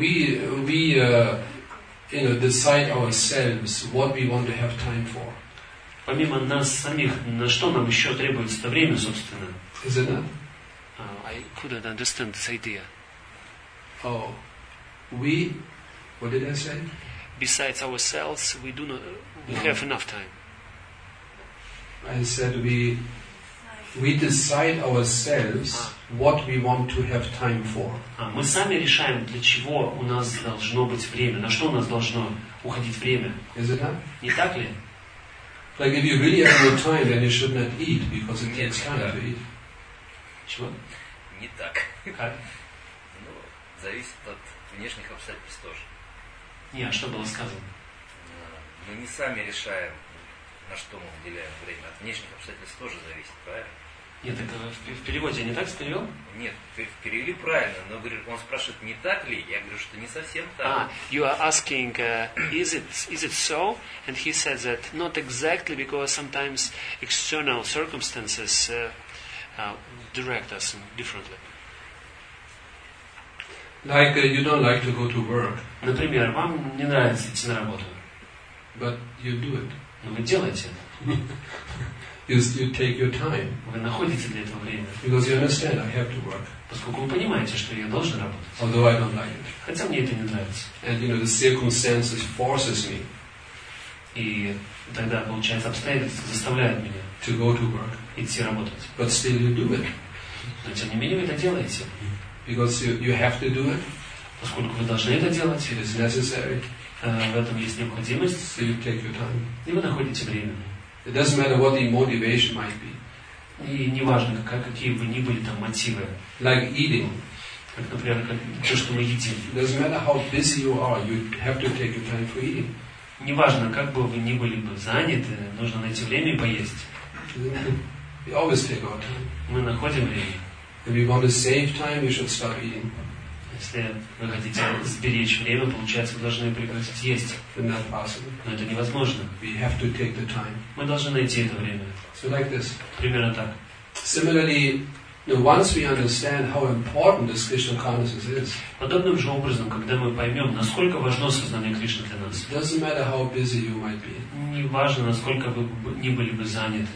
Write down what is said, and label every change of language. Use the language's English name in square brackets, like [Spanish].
[English] We decide ourselves what we want to have time for. [Russian] Помимо нас самих, на что нам еще требуется время, собственно? [English] Is it not? I couldn't understand this idea. Oh, we? What did I say? Besides ourselves, we do not. We have enough time. I said we decide ourselves what we want to have time for. [Russian] Мы сами решаем, для чего у нас должно быть время, на что у нас должно уходить время. [English] Is it not? [Russian] Не так ли? [English] Like if you really have no time, then you should not eat because it takes time to eat. [Russian] Чего? Не так. Ну, зависит от внешних обстоятельств тоже. Не, а что было сказано? Мы не сами решаем, на что мы уделяем время. От внешних обстоятельств тоже зависит, правильно? Нет, так в переводе не так перевел? Нет, перевели правильно, но он спрашивает, не так ли? Я говорю, что не совсем так. [English] You are asking, is it so? And he says that not exactly, because sometimes external circumstances direct us differently. Like you don't like to go to work. [Russian] Например, вам не нравится идти на работу. [English] But you do it. [Russian] Но вы делаете это. [English] You take your time. [Russian] Вы находите для этого время. [English] Because you understand, I have to work. [Russian] Поскольку вы понимаете, что я должен работать. [English] Although I don't like it. [Russian] Хотя мне это не нравится. [English] And you know the circumstances forces me. [Russian] И тогда получается обстоятельства заставляют меня. [English] To go to work. [Russian] Идти работать. [English] But still you do it. [Russian] Но тем не менее вы это делаете. [English] Because you have to do it. [Russian] Поскольку вы должны это делать. [English] It is necessary. [Russian] В этом есть необходимость. [English] So you take your time. [Russian] И вы находите время. [English] It doesn't matter what the motivation might be. [Russian] И не важно, какие бы ни были там мотивы. [English] Like eating. [Russian] Как, например, то, что мы едим. [English] It doesn't matter how busy you are, you have to take your time for eating. [Russian] Не важно, как бы вы ни были бы заняты, нужно найти время и поесть. [English] We always take our time. [Russian] Мы находим время. [English] If you want to save time, you should start eating. [Russian] Если вы хотите сберечь время, получается, вы должны прекратить есть. [English] Not possible. [Russian] Но это невозможно. [English] We have to take the time. [Russian] Мы должны найти это время. [English] So like this. [Russian] Примерно так. [English] Similarly, once we understand how important this Krishna consciousness is. [Russian] Подобным же образом, когда мы поймем, насколько важно сознание Кришны для нас. [English] Doesn't matter how busy you might be. [Russian] Не важно, насколько вы не были бы заняты.